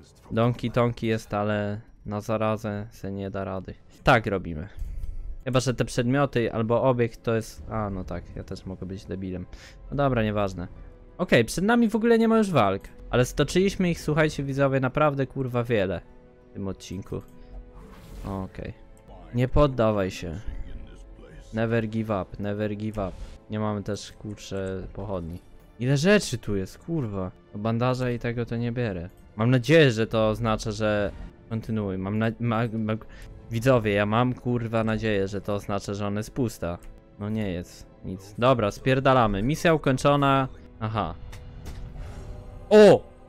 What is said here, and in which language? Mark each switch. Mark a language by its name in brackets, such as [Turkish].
[Polish] Donki Tonki jest, ale na zarazę se nie da rady. Tak robimy. Chyba, że te przedmioty albo obiekt to jest... A, no tak, ja też mogę być debilem. No dobra, nieważne. Okej, przed nami w ogóle nie ma już walk. Ale stoczyliśmy ich, słuchajcie, widzowie, naprawdę, kurwa, wiele. W tym odcinku. Okej. Nie poddawaj się. [English] Never give up, never give up. [Polish] Nie mamy też, kurczę, pochodni. Ile rzeczy tu jest, kurwa. Bandaża i tego to nie biorę. Mam nadzieję, że to oznacza, że... Kontynuuj, mam na... Widzowie, ja mam, kurwa, nadzieję, że to oznacza, że on jest pusta. No nie jest nic. Dobra, spierdalamy. Misja ukończona. Aha. O!